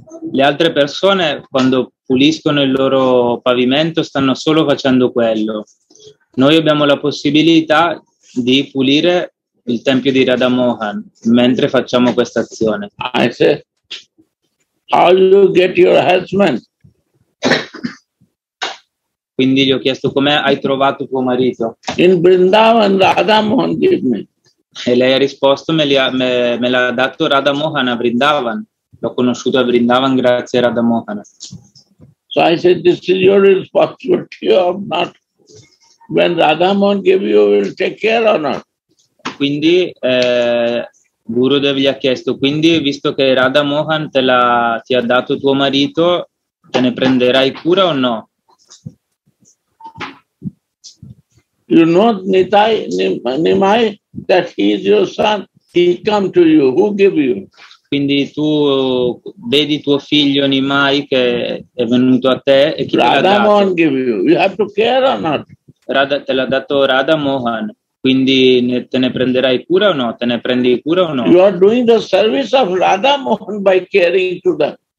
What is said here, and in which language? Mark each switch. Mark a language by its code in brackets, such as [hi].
[it] Le altre persone quando puliscono il loro pavimento stanno solo facendo quello. Noi abbiamo la possibilità di pulire il tempio di Radha Mohan mentre facciamo questa azione. [en] I say, how do you get your husband? [it] Quindi gli ho chiesto, come hai trovato tuo marito? [en] In Vrindavan, Radha Mohan gave me. [it] E lei ha risposto, me l'ha dato Radha Mohan a Vrindavan. L'ho conosciuto a Vrindavan grazie a Radha Mohan. [en] So I said, this is your responsibility or not? When Radha Mohan gave you, will take care or not? [it] Quindi Gurudev gli ha chiesto, quindi visto che Radha Mohan ti ha dato tuo marito, te ne prenderai cura o no? [en] You know Nitai, Nimai, that he is your son, he come to you, who give you? [it] Quindi tu vedi tuo figlio Nimai che è venuto a te e chi te l'ha dato? [en] Radha Mohan give you, you have to care or not? [it] Te l'ha dato Radha Mohan, quindi te ne prenderai cura o no? Te ne prendi cura o no? [en] You are doing the service of Radha Mohan by caring to them.